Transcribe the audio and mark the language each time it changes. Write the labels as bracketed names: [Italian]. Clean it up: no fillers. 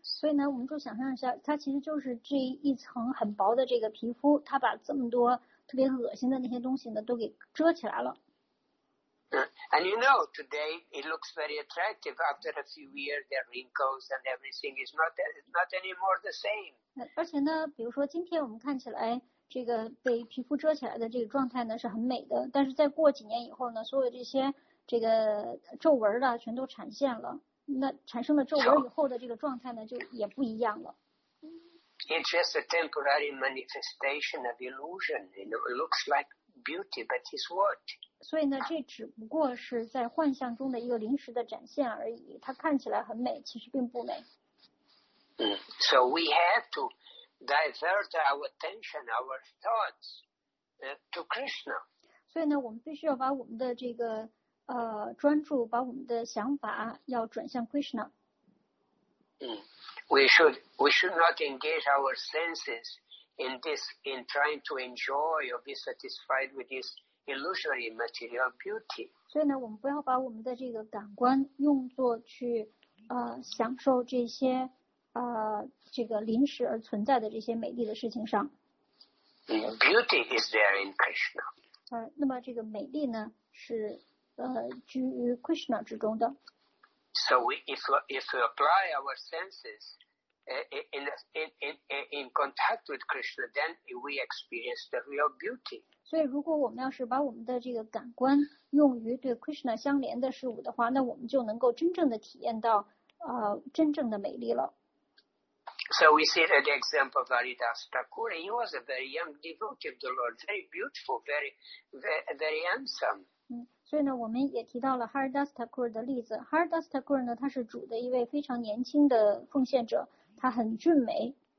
[Chinese] 所以呢，我们就想象一下，它其实就是这一层很薄的这个皮肤，它把这么多特别恶心的那些东西呢，都给遮起来了。 [English] And you know, today it looks very attractive. After a few years, the wrinkles and everything is not anymore the same. [Chinese] 而且呢，比如说今天我们看起来这个被皮肤遮起来的这个状态呢是很美的，但是再过几年以后呢，所有这些这个皱纹呢全都产现了。那产生了皱纹以后的这个状态呢就也不一样了。 [English] It's just a temporary manifestation of illusion. You know, it looks like beauty, but it's what? [Chinese] 所以呢，这只不过是在幻象中的一个临时的展现而已。它看起来很美，其实并不美。 [English] So we have to divert our attention, our thoughts, to Krishna. [Chinese] 所以呢，我们必须要把我们的这个专注，把我们的想法要转向 Krishna。 [English] We should not engage our senses in this, in trying to enjoy or be satisfied with this. Illusory material beauty. [Chinese] 所以呢，我们不要把我们的这个感官用作去享受这些这个临时而存在的这些美丽的事情上。 [English] Beauty is there in Krishna. [Chinese] 那么这个美丽呢是居于 Krishna 之中的。 [English] So if we apply our senses in contact with Krishna, then we experience the real beauty. [Chinese] 所以如果我们要是把我们的这个感官用于对 Krishna 相连的事物的话，那我们就能够真正的体验到真正的美丽了。 [English] So we see that the example of Haridas Thakur, he was a very young devotee of the Lord, very beautiful, very, very, very handsome. [Chinese] 所以呢我们也提到了 Haridas Thakur 的例子。Haridas Thakur 呢他是主的一位非常年轻的奉献者，他很俊美。